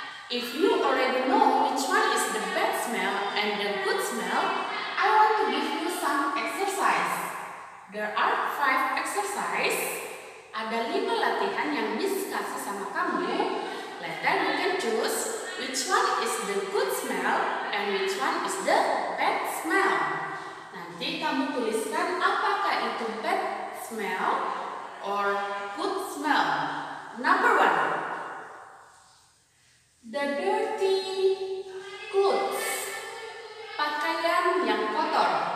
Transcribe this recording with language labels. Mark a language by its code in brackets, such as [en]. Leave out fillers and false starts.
[en] If you already know which one is the bad smell and the good smell, I want to give you some exercise. There are five [id] exercise, ada 5 latihan yang Miss kasih sama kamu. [en] Later you can choose which one is the good smell and which one is the bad smell. [id] Nanti kamu tuliskan apakah itu [en] bad smell or good smell. Number one, the dirty clothes, [id] pakaian yang kotor.